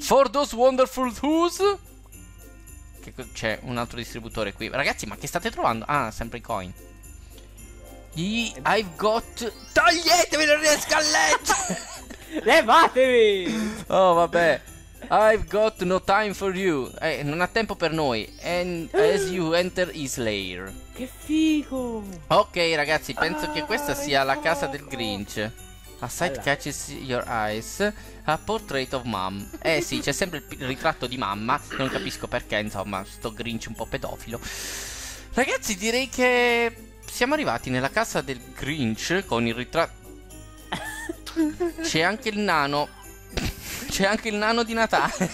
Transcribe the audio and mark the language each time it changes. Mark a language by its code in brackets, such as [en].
[en] For those wonderful who's. [it] Che c'è un altro distributore qui. Ragazzi, ma che state trovando? Ah, sempre i coin. [en] I've got. [it] Toglietevi, non riesco a leggere! Levatevi! [en] Oh, vabbè. I've got no time for you. [it] Non ha tempo per noi. [en] And as you enter his lair. [it] Che figo! Ok, ragazzi, penso che questa sia la casa del Grinch. [en] A sight catches your eyes. A portrait of mom. [it] Sì, c'è sempre il ritratto di mamma. Non capisco perché, insomma, sto Grinch un po' pedofilo. Ragazzi, direi che siamo arrivati nella casa del Grinch con il ritratto. C'è anche il nano. C'è anche il nano di Natale.